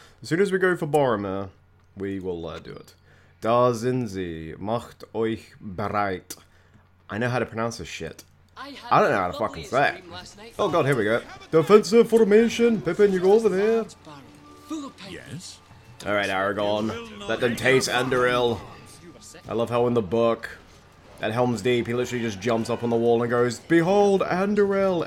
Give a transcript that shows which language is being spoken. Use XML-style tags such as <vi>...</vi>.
<en>As soon as we go for Boromir, we will do it.</en> <de>Da sind sie, macht euch bereit.</de> <en>I know how to pronounce this shit. I don't know how to fucking say it. Oh god, here we go. Defensive formation, Pippin, you go over there. Yes. Alright, Aragorn. Let them taste Anduril. I love how in the book, at Helm's Deep, he literally just jumps up on the wall and goes, "Behold Anduril!"</en>